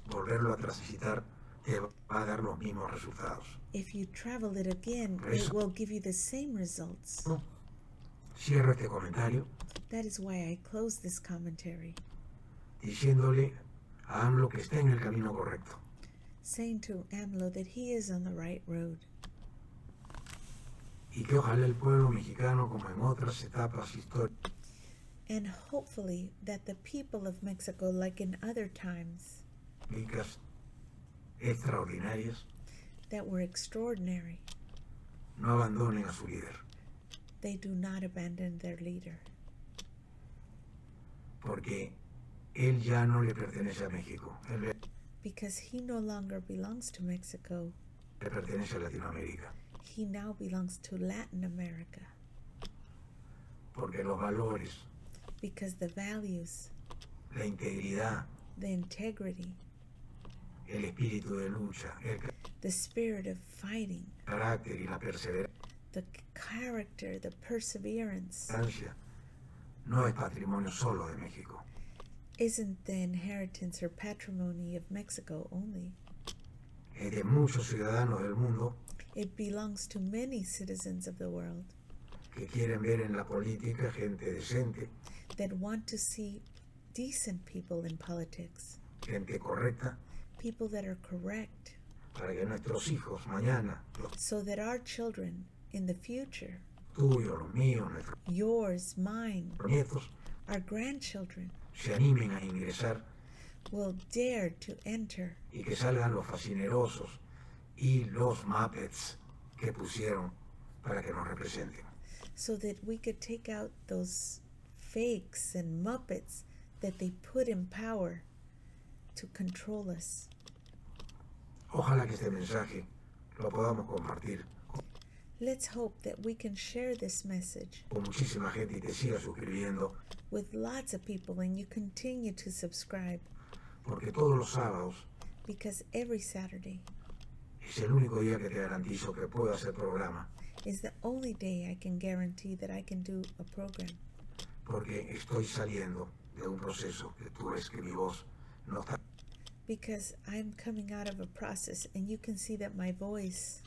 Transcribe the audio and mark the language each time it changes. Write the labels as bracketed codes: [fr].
[es] volverlo a transitar te va a dar los mismos resultados. [en] If you travel it again, it will give you the same results. [es] No. Cierro este comentario. [en] That is why I close this commentary. [es] Diciéndole a AMLO que está en el camino correcto. [en] Saying to AMLO that he is on the right road. [es] Y que ojalá el pueblo mexicano, como en otras etapas históricas, [en] and hopefully that the people of Mexico, like in other times, [es] extraordinarias, [en] that were extraordinary, [es] no abandonen a su líder. [en] They do not abandon their leader. [es] Porque él ya no le pertenece a México. Él le, [en] because he no longer belongs to Mexico. [es] Le pertenece a Latinoamérica. [en] He now belongs to Latin America. [es] Porque los valores, [en] because the values, [es] la integridad, [en] the integrity, [es] el espíritu de lucha, el, [en] the spirit of fighting, [es] el carácter y la perseverancia, [en] the character, the perseverance, [es] no es patrimonio solo de México, [en] isn't the inheritance or patrimony of Mexico only, [es] es de muchos ciudadanos del mundo, [en] it belongs to many citizens of the world, [es] que quieren ver en la política gente decente, [en] that want to see decent people in politics, [es] gente correcta, [en] people that are correct, [es] para que nuestros hijos mañana, [en] so that our children in the future, [es] tuyo, lo mío, nuestro, [en] yours, mine, [es] nietos, [en] our grandchildren, [es] se animen a ingresar, [en] will dare to enter, [es] y que salgan los fascinerosos y los Muppets que pusieron para que nos representen, [en] so that we could take out those fakes and Muppets that they put in power to control us. [es] Ojalá que este mensaje lo podamos compartir. [en] Let's hope that we can share this message [es] con muchísima gente y te siga suscribiendo, [en] with lots of people and you continue to subscribe, [es] porque todos los sábados, [en] because every Saturday [es] es el único día que te garantizo que puedo hacer programa, [en] is the only day I can guarantee that I can do a program, [es] porque estoy saliendo de un proceso que tú ves que mi voz no está, [en] because I'm coming out of a process and you can see that my voice